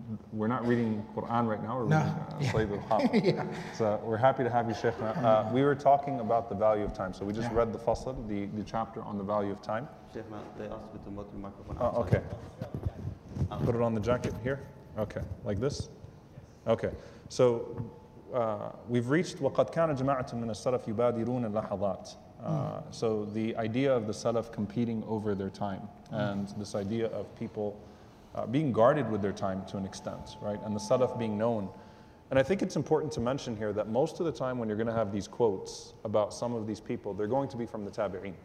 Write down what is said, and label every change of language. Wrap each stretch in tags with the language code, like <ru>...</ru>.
<en>We're not reading Quran right now, we're reading Slave al-Khaf. Yeah. So we're happy to have you, Sheikh. We were talking about the value of time. So we just read the Fasl, the chapter on the value of time. Sheikh, they asked me to move the microphone. Oh, okay. Put it on the jacket here. Okay, like this? Okay. So we've reached</en> <ar>وَقَدْ كَانَ جَمَعَةٌ مِنَ السَّلَفِ يُبَادِرُونَ اللَّحَظَاتِ.</ar> <en>So the idea of the Salaf competing over their time and this idea of people being guarded with their time to an extent, right? And the Salaf being known. And I think it's important to mention here that most of the time when you're going to have these quotes about some of these people, they're going to be from the Tabi'een.</en>